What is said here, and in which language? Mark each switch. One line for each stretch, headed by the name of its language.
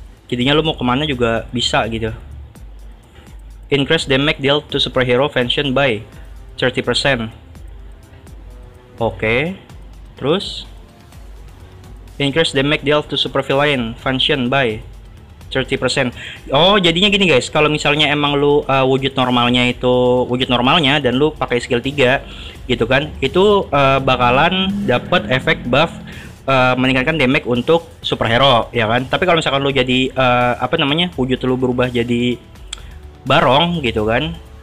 Indonesian: Jadinya lo mau kemana juga bisa gitu.
English: Increase damage dealt to superhero fashion by 30%. Okay.
Indonesian: Terus
English: increase damage dealt to supervillain fashion by 30%.
Indonesian: Oh, jadinya gini guys, kalau misalnya emang lu wujud normalnya itu wujud normalnya dan lu pakai skill 3 gitu kan, itu bakalan dapat efek buff meningkatkan damage untuk superhero, ya kan? Tapi kalau misalkan lu jadi apa namanya? Wujud lu berubah jadi barong gitu kan.